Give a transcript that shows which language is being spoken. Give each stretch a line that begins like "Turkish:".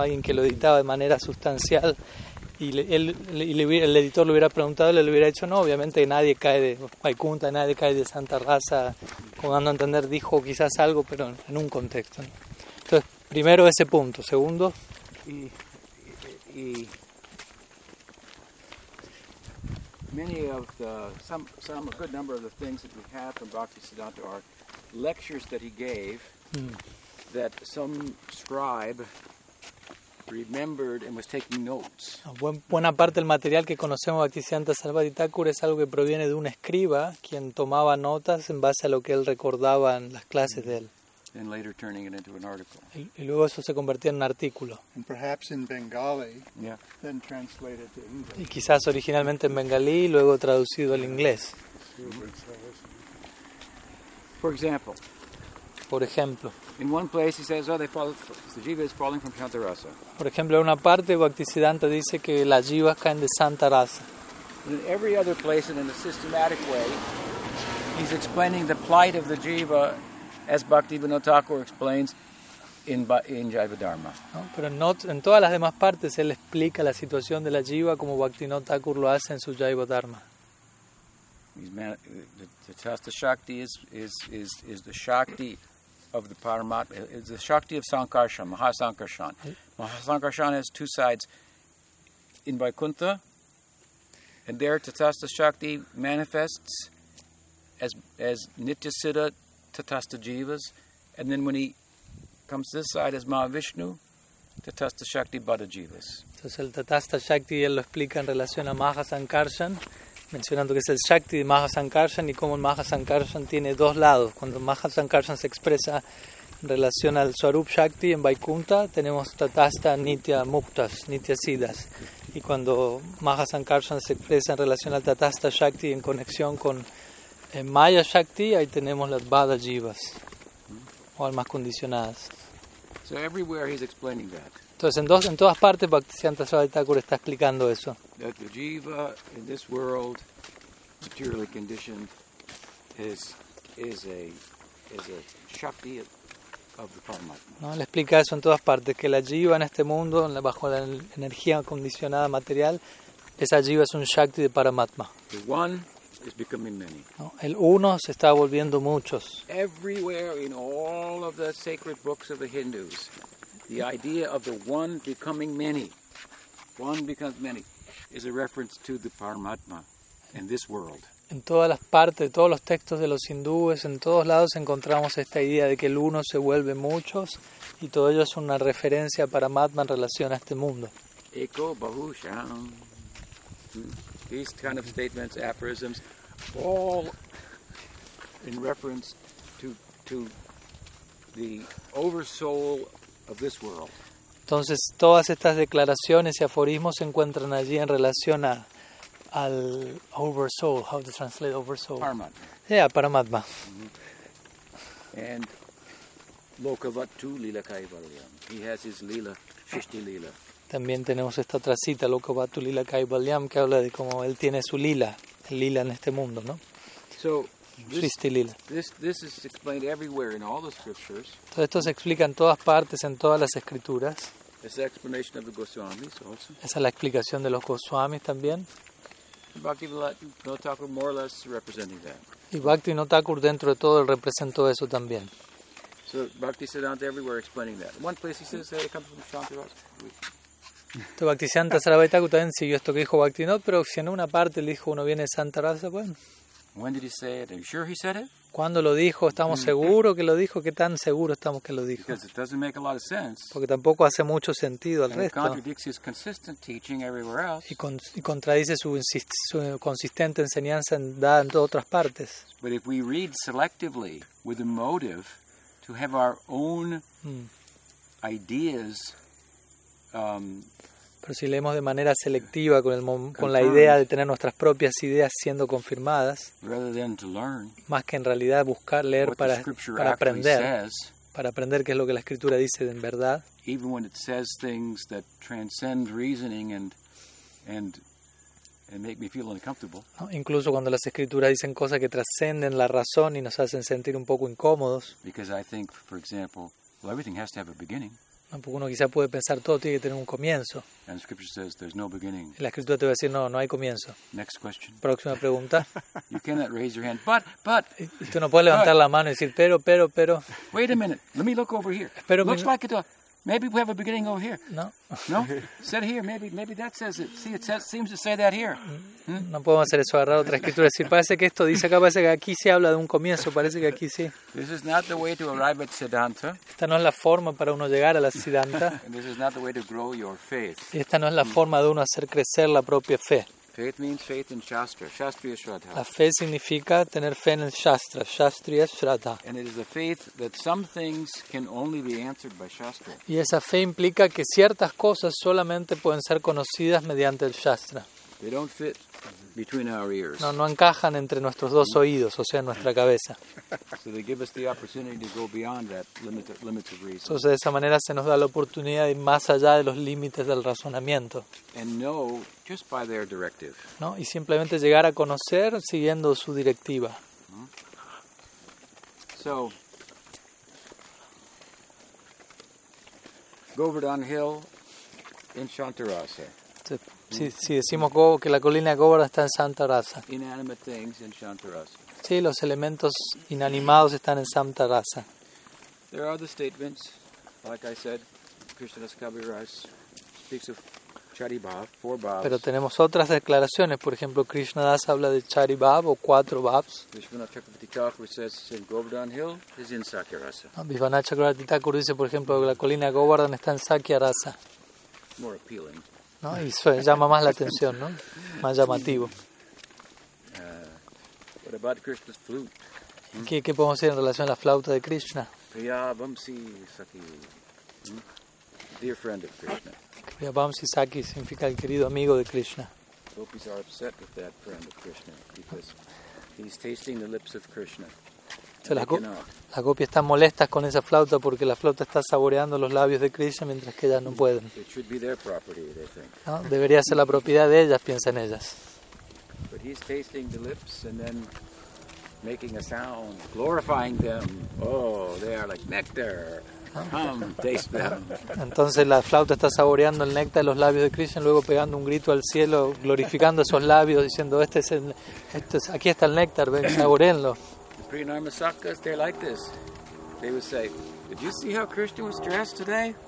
Spanish: Alguien que lo editaba de manera sustancial y el editor le hubiera preguntado, le hubiera dicho, no, obviamente nadie cae de Vaikunta, nadie cae de Santa Rasa. Como dando a entender, dijo quizás algo, pero en un contexto, ¿no? Entonces, primero ese punto. Segundo.
English: Y many of the, some a good number of the things that we have from Bhaktisiddhanta are lectures that he gave that some scribe remembered and was taking notes.
Spanish: Buena parte del material que conocemos Bhaktisiddhanta Sarasvati Thakur es algo que proviene de un escriba quien tomaba notas en base a lo que él recordaba en las clases de él.
English: And later turning it into an article.
Spanish: Y luego eso se convertía en un artículo.
English: And perhaps in Bengali, then translated to English.
Spanish: Y quizás originalmente en bengalí y luego traducido al inglés.
English: For example,
Spanish: por ejemplo.
English: In one place he says, oh, they fall, the jiva is falling from Santa-rasa.
Spanish: Por ejemplo, en una parte Bhaktisiddhanta dice que las jivas caen de Santa-rasa.
English: In every other place and in a systematic way, he's explaining the plight of the jiva as Bhaktivinoda Thakur explains in Jiva Dharma.
Spanish: No, pero en todas las demás partes él explica la situación de la jiva como Bhaktivinoda Thakur lo hace en su Jiva Dharma.
English: The Tasta Shakti is the Shakti of the Paramatma, is the Shakti of Sankarshan, Mahasankarshan. Mahasankarshan has two sides in Vaikuntha, and there Tathasta Shakti manifests as Nitya Siddha Tathasta Jivas, and then when he comes to this side as Mahavishnu, Tathasta Shakti Bhada Jivas.
Spanish: Entonces el Tathasta Shakti él lo explica en relación a Mahasankarshan, mencionando que es el Shakti de Mahasankarshan y cómo Mahasankarshan tiene dos lados. Cuando Mahasankarshan se expresa en relación al Swarup Shakti en Vaikuntha, tenemos Tathasta Nitya Muktas, Nitya Siddhas. Y cuando Mahasankarshan se expresa en relación al Tathasta Shakti en conexión con Maya Shakti, ahí tenemos las Bada Jivas, o almas condicionadas.
English: So everywhere he's explaining that.
Spanish: Entonces, en todas partes, Bhaktisiddhanta Saraswati Thakur está explicando eso.
English: That the jiva in this world, materially conditioned, is a shakti of the Paramatma.
Spanish: No, él explica eso en todas partes, que la jiva en este mundo, bajo la energía condicionada material, esa jiva es un shakti de Paramatma.
English: The one is becoming many.
Spanish: No, el uno se está volviendo muchos.
English: Everywhere in all of the sacred books of the Hindus, the idea of the one becoming many, one becomes many, is a reference to the Paramatma in this world.
Spanish: En todas las partes, todos los textos de los hindúes, en todos lados encontramos esta idea de que el uno se vuelve muchos, y todo ello es una referencia para Paramatma en relación a este mundo.
Sanskrit: Eko bahusham.
English: These kind of statements, aphorisms, all in reference to the oversoul of this world.
Spanish: Entonces, todas estas declaraciones y aforismos se encuentran allí en relación a al oversoul,
English: how to translate oversoul. Paramatma. Yeah, Paramatma. Mm-hmm. And Lokavattu Lila Kaivalyam. He has his Lila, Shishti Lila.
Spanish: También tenemos esta otra cita, Lokavattu Lila Kaivalyam, que habla de cómo él tiene su Lila, el Lila en este mundo, ¿no?
English: So, This is explained everywhere in all the scriptures.
Spanish: Todo esto se explica en todas partes, en todas las escrituras.
English: It's the explanation of the Goswamis also.
Spanish: Esa es la explicación de los Goswamis también.
English: Bhaktivinoda Thakur more or less representing that.
Spanish: Y Bhaktivinoda Thakur dentro de todo representó eso también.
English: So Bhaktisiddhanta everywhere explaining that. One place he says that it comes from Shantaras.
Spanish: Entonces, Bhaktisiddhanta Saraswati Thakur también siguió esto que dijo Bhaktivinoda, pero si en una parte le dijo uno viene de Santa-rasa, bueno.
English: When did he say it? Are you sure he said it?
Spanish: ¿Cuándo lo dijo? ¿Estamos seguros que lo dijo? ¿Qué tan seguros estamos que lo dijo?
English: Because it doesn't make a lot of sense.
Spanish: Porque tampoco hace mucho sentido al resto.
English: And it contradicts his consistent teaching everywhere else.
Spanish: Y contradice su consistente enseñanza dada en todas otras partes.
English: But if we read selectively with a motive to have our own ideas
Spanish: pero si leemos de manera selectiva con la idea de tener nuestras propias ideas siendo confirmadas, más que en realidad buscar leer para aprender qué es lo que la Escritura dice en verdad,
English: even when it says things that transcend reasoning and make me feel uncomfortable,
Spanish: no, incluso cuando las Escrituras dicen cosas que trascenden la razón y nos hacen sentir un poco incómodos,
English: because I think, for example, well, everything has to have a beginning.
Spanish: Uno quizá puede pensar todo tiene que tener un comienzo.
English: And the scripture says, there's no beginning.
Spanish: La escritura te va a decir no hay comienzo.
English: Next question.
Spanish: Próxima pregunta.
English: You cannot raise your hand. But.
Spanish: Tú no puedes levantar la mano y decir pero.
English: Wait a minute. Let me look over here.
Spanish: Espero
English: looks like it. Maybe we have a beginning over here. No. Set here. Maybe that says it. See, it says, seems to say that here.
Spanish: No podemos hacer eso, agarrar otra escritura y decir parece que esto dice acá, parece que aquí se habla de un comienzo, parece que aquí sí.
English: This is not the way to arrive at Siddhanta.
Spanish: Esta no es la forma para uno llegar a la Siddhanta.
English: And this is not the way to grow your faith.
Spanish: Y esta no es la forma de uno hacer crecer la propia fe.
English: Faith means faith in Shastra, Shastriya Shraddha.
Spanish: La fe significa tener fe en el Shastra, Shastriya Shraddha.
English: And it is a faith that some things can only be answered by Shastra.
Spanish: Y esa fe implica que ciertas cosas solamente pueden ser conocidas mediante el Shastra.
English: They don't fit between our ears.
Spanish: No, no encajan entre nuestros dos oídos, o sea, nuestra cabeza.
English: So they give us the opportunity to go beyond that limited reason.
Spanish: Entonces, de esa manera se nos da la oportunidad de ir más allá de los límites del razonamiento.
English: And know just by their directive.
Spanish: No, y simplemente llegar a conocer siguiendo su directiva.
English: So, Govardhan Hill in Santa-rasa.
Spanish: Si decimos que la colina de Govardhan está en Santa-rasa.
English: Inanimate things in Santa-rasa.
Spanish: Sí, los elementos inanimados están en Santa-rasa.
English: There are the statements, like I said, Krishnadas Kaviraj speaks of Charibhav, four bhavs.
Spanish: Pero tenemos otras declaraciones, por ejemplo, Krishnadas habla de Charibhav o cuatro bhavs.
English: Vishwanath Chakravarti Thakur says in Govardhan Hill is in Sakya-rasa.
Spanish: No, Vishwanath Chakravarti Thakur dice, por ejemplo, que la colina de Govardhan está en Sakya-rasa.
English: More appealing.
Spanish: No, y eso llama más la atención, ¿no? Más llamativo.
English: What about Krishna's flute?
Spanish: ¿Qué podemos decir en relación a la flauta de Krishna?
English: Priyabamsi Sakhi. Dear friend of Krishna.
Spanish: Priyabamsi Sakhi significa el querido amigo de Krishna.
English: Gopis are upset with that friend of Krishna because he's tasting the lips of Krishna.
Spanish: Las gopis están molestas con esa flauta porque la flauta está saboreando los labios de Krishna mientras que ellas no pueden.
English: Property,
Spanish: ¿no? Debería ser la propiedad de ellas, piensan ellas.
English: But he's tasting the lips and then making a sound, glorifying them. Oh, they are like nectar. Come, taste them.
Spanish: Entonces la flauta está saboreando el néctar de los labios de Krishna, luego pegando un grito al cielo, glorificando esos labios, diciendo, aquí está el néctar, ven, saboreenlo.
English: Pre-Narmasakas, they're like this. They would say, "Did you see how Krishna was dressed today?